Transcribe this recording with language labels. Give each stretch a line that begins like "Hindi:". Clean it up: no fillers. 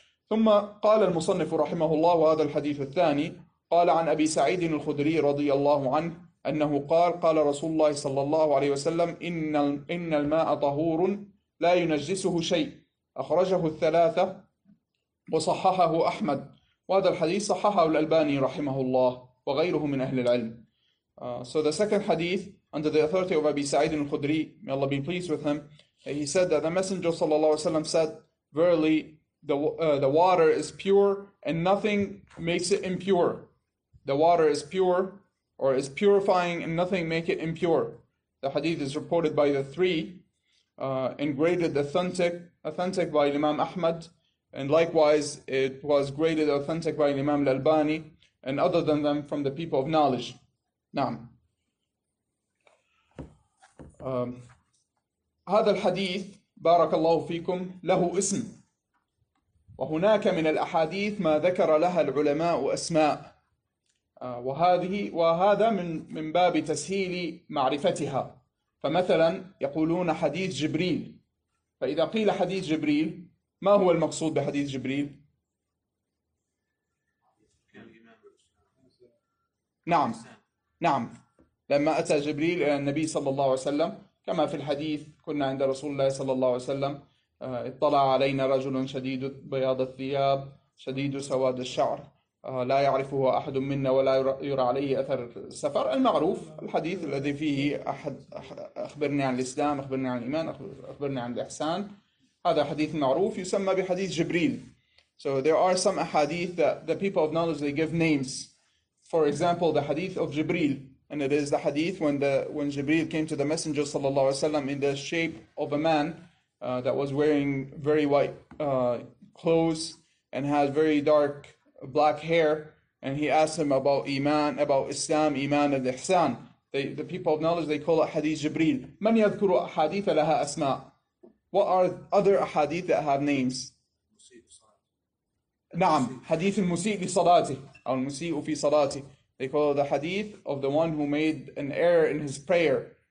Arabic: ثم قال المصنف رحمه الله هذا الحديث الثاني قال عن أبي سعيد الخدري رضي الله عنه أنه قال قال رسول الله صلى الله عليه وسلم إن الماء طهور لا ينجسه شيء أخرجه الثلاثة وصححه أحمد وهذا الحديث صححه الألباني رحمه الله وغيره من أهل العلم.
English: So the second hadith under the authority of Abi Sa'id al-Khudri, may Allah be pleased with him, he said that the Messenger
Arabic: صلى الله عليه وسلم
English: said, verily the water is pure and nothing makes it impure. The water is pure or is purifying and nothing make it impure. The hadith is reported by the three and graded authentic by Imam Ahmad, and likewise it was graded authentic by Imam Al-Albani and other than them from the people of knowledge.
Arabic: نعم. هذا الحديث بارك الله فيكم له اسم. وهناك من الأحاديث ما ذكر لها العلماء أسماء وهذا من باب تسهيل معرفتها. فمثلا يقولون حديث جبريل، فإذا قيل حديث جبريل ما هو المقصود بحديث جبريل؟ نعم نعم، لما أتى جبريل إلى النبي صلى الله عليه وسلم كما في الحديث كنا عند رسول الله صلى الله عليه وسلم اطلع علينا رجل شديد بياض الثياب شديد سواد الشعر لا يعرفه أحد منا ولا يرى عليه أثر السفر، المعروف الحديث الذي فيه أحد أخبرني عن الإسلام أخبرني عن الإيمان أخبرني عن الإحسان، هذا حديث معروف يسمى بحديث جبريل.
English: So there are some ahadith that the people of knowledge they give names. For example, the hadith of Jibril, and it is the hadith when Jibril came to the Messenger
Arabic: صلى الله عليه وسلم
English: in the shape of a man that was wearing very white clothes and had very dark black hair, and he asked him about iman, about Islam, iman and ihsan. The people of knowledge they call it hadith Jibril.
Arabic: من يذكر أحاديث لها أسماء؟
English: What are other ahadith that have names?
Arabic: نعم، حديث المسيء لصلاته أو المسيء في صلاته.
English: They call it the hadith of the one who made an error in his prayer.